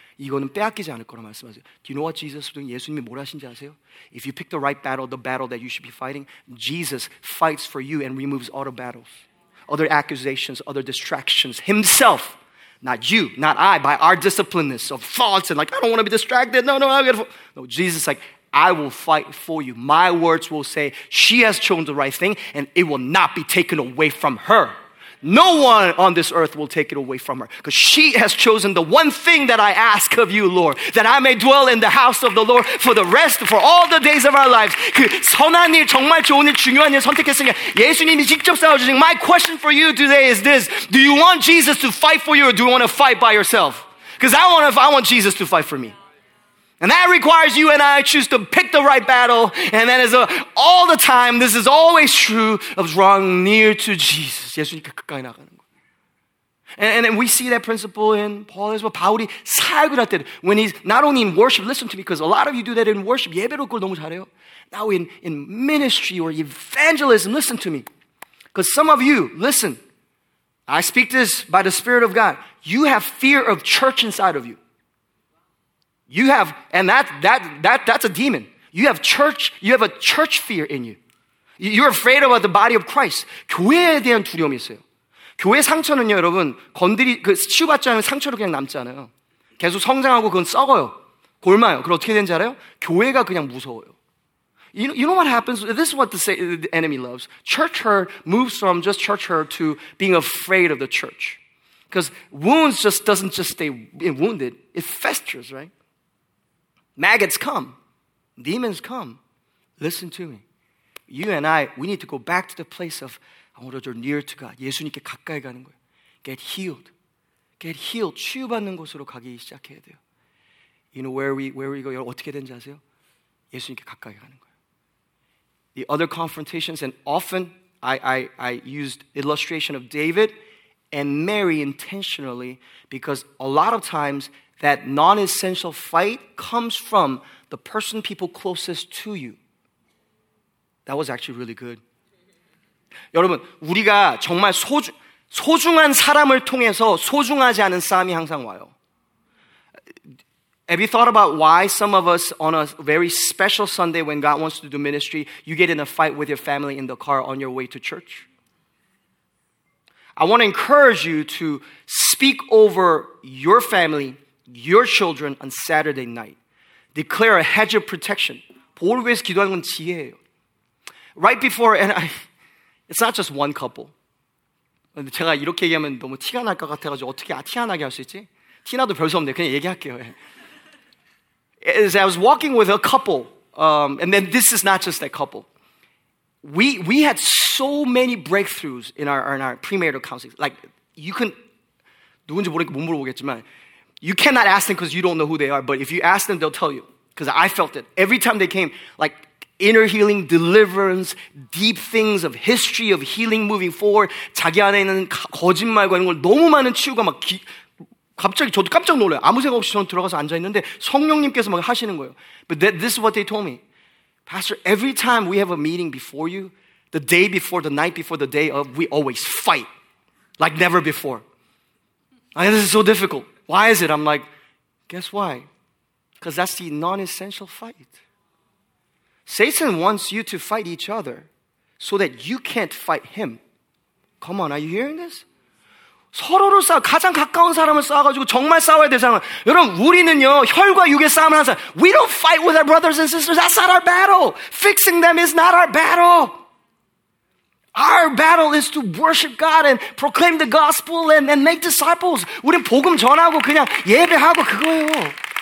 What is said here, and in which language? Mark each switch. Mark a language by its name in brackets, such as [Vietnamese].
[Korean] 이거는 빼앗기지 않을 거라 말씀하세요. [English] Do you know what Jesus is doing? [Korean] 예수님이 뭘 하신지 아세요? [English] If you pick the right battle, the battle that you should be fighting, Jesus fights for you and removes all the battles. Other accusations, other distractions. Himself, not you, not I, by our disciplineness of thoughts and like, I don't want to be distracted. No, I'm going to... No, Jesus is like, I will fight for you. My words will say, she has chosen the right thing and it will not be taken away from her. No one on this earth will take it away from her because she has chosen the one thing that I ask of you, Lord, that I may dwell in the house of the Lord for the rest, for all the days of our lives. [Korean] 그 선한 일, 정말 좋은 일, 중요한 일 선택했으니까 예수님이 직접 싸워주신 [English] my question for you today is this. Do you want Jesus to fight for you or do you want to fight by yourself? Because I want Jesus to fight for me. And that requires you and I choose to pick the right battle. And that is all the time, this is always true, of drawing near to Jesus. [Korean] 예수님께 가까이 나가는 거. [English] And we see that principle in Paul as well. [Korean] 바울이 사역을 할 때, [English] when he's not only in worship, listen to me, because a lot of you do that in worship, [Korean] 예배로 그걸 너무 잘해요. [English] Now in ministry or evangelism, listen to me. Because some of you, listen, I speak this by the Spirit of God. You have fear of church inside of you. You have, and that's a demon. You have church, you have a church fear in you. You're afraid about the body of Christ. [Korean] 교회에 대한 두려움이 있어요. 교회 상처는요, 여러분, 건드리, 그, 치유받지 않으면 상처로 그냥 남잖아요. 계속 성장하고 그건 썩어요. 골마요. 그걸 어떻게 된지 알아요? 교회가 그냥 무서워요. [English] You know what happens? This is what the enemy loves. Church hurt moves from just church hurt to being afraid of the church. Because wounds just doesn't just stay wounded. It festers, right? Maggots come. Demons come. Listen to me. You and I, we need to go back to the place of I want to draw near to God. [Korean] 예수님께 가까이 가는 거예요. [English] Get healed. Get healed. [Korean] 치유받는 곳으로 가기 시작해야 돼요. [English] You know where we go? [Korean] 어떻게 된지 아세요? 예수님께 가까이 가는 거예요. [English] The other confrontations, and often I used illustration of David and Mary intentionally because a lot of times that non-essential fight comes from the person people closest to you. That was actually really good. [Korean] 여러분, 우리가 정말 소중한 사람을 통해서 소중하지 않은 싸움이 항상 와요. [English] Have you thought about why some of us on a very special Sunday when God wants to do ministry, you get in a fight with your family in the car on your way to church? I want to encourage you to speak over your family, your children on Saturday night. Declare a hedge of protection. [Korean] 보호를 위해서 기도하는 건 지혜예요. [English] Right before, and it's not just one couple. [Korean] 근데 제가 이렇게 얘기하면 너무 티가 날 것 같아가지고 어떻게 티 안 나게 할 수 있지? 티 나도 별수 없네. 그냥 얘기할게요. [English] As I was walking with a couple, and then this is not just a couple. We had so many breakthroughs in our premarital counseling. Like, you can, [Korean] 누군지 모르니까 못 물어보겠지만, [English] you cannot ask them because you don't know who they are, but if you ask them, they'll tell you. Because I felt it. Every time they came, like inner healing, deliverance, deep things of history, of healing moving forward, [Korean] 자기 안에 있는 거짓말과 이런 걸 너무 많은 치유가 막 갑자기 저도 깜짝 놀라요. 아무 생각 없이 저는 들어가서 앉아있는데 성령님께서 막 하시는 거예요. [English] But this is what they told me. Pastor, every time we have a meeting before you, the day before, the night before, the day of, we always fight like never before. Like, this is so difficult. Why is it? I'm like, guess why? Because that's the non-essential fight. Satan wants you to fight each other so that you can't fight him. Come on, are you hearing this? [Korean] 서로를 싸워, 가장 가까운 사람을 싸워가지고 정말 싸워야 될 사람은 여러분, 우리는요, 혈과 육의 싸움을 하는 사람. [English] We don't fight with our brothers and sisters. That's not our battle. Fixing them is not our battle. Our battle is to worship God and proclaim the gospel and make disciples. [Korean] 우린 복음 전하고 그냥 예배하고 그거예요.